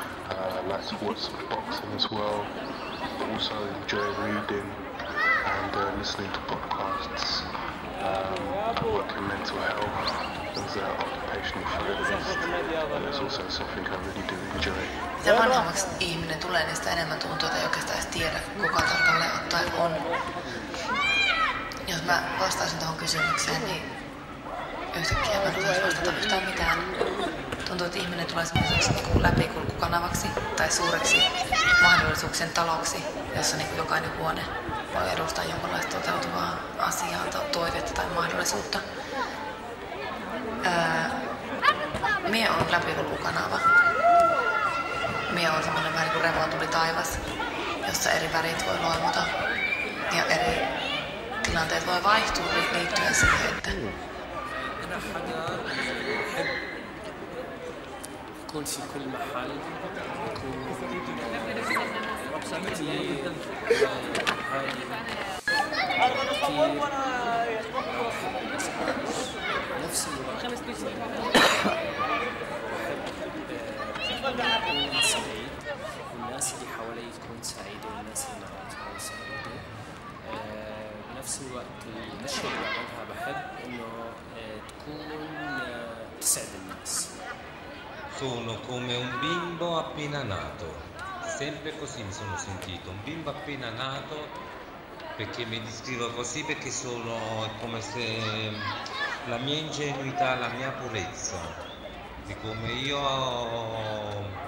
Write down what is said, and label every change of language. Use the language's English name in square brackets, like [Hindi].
[English] I like to watch some boxing as well. Also enjoy reading. and listening to podcasts working mental health as an occupational therapist, and it's also something I really do enjoy. [Finnish] Mitä vanhemmaksi ihminen tulee, niin sitä enemmän tuntuu, että ei oikeastaan tiedä, kuka tarkalleen ottaen on. Jos mä vastaisin tuohon kysymykseen, niin yhtäkkiä mä en osaisi vastata yhtään mitään. Tuntuu, että ihminen tulee semmoiseksi läpikulkukanavaksi tai suureksi mahdollisuuksien taloksi, jossa niin kuin jokainen huone voi edustaa jonkinlaista toteutuvaa asiaa, toivetta tai mahdollisuutta. Mie on läpikulkukanava. Mie on semmoinen vähän kuin revontuli taivas, jossa eri värit voi loimuta ja eri tilanteet voi vaihtua liittyen siihen, että... [Arabic] يكون في كل محل يكون نفس الوقت سعيد والناس اللي حوالي يكون سعيدة والناس اللي معي تكون سعيدة بنفس الوقت النشرة اللي عملتها بحب إنه تكون تسعد الناس. [Italian] Sono come un bimbo appena nato, sempre così mi sono sentito, un bimbo appena nato, perché mi descrivo così, perché sono come se la mia ingenuità, la mia purezza, di come io